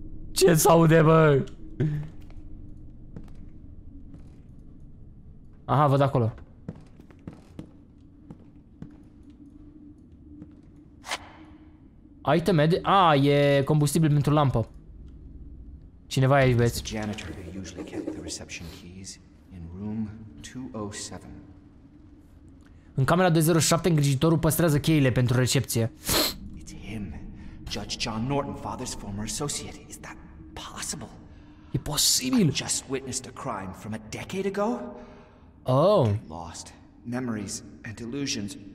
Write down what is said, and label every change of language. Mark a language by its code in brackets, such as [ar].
[ro] Ce s-aude, bă? Aha, văd acolo. Item ed- a, e combustibil pentru lampă. Cineva e aici, băieți. [en] Janitor who usually kept the reception keys in room 207. [ro] În camera 207, îngrijitorul păstrează cheile pentru recepție. [en] It's him. Judge John Norton, father's former associate. Is that possible? [ro] E posibil? [en] I just witnessed a crime from a decade ago. Oh. Lost memories and illusions.